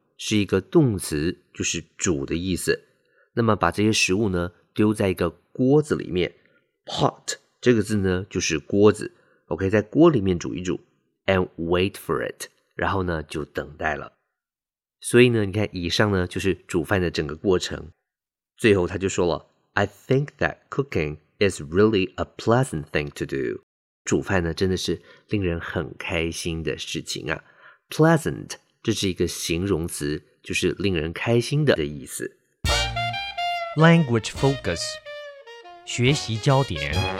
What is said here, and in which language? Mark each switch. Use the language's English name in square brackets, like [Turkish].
[Chinese] 是一个动词，就是煮的意思。那么把这些食物呢丢在一个锅子里面， pot 这个字呢就是锅子。 OK, 在锅里面煮一煮 [English] and wait for it, [Chinese] 然后呢就等待了。所以呢你看以上呢就是煮饭的整个过程。最后他就说了 [English] I think that cooking is really a pleasant thing to do. [Chinese] 煮饭呢真的是令人很开心的事情啊。 Pleasant, 这是一个形容词，就是令人开心的意思。 Language focus, 学习焦点。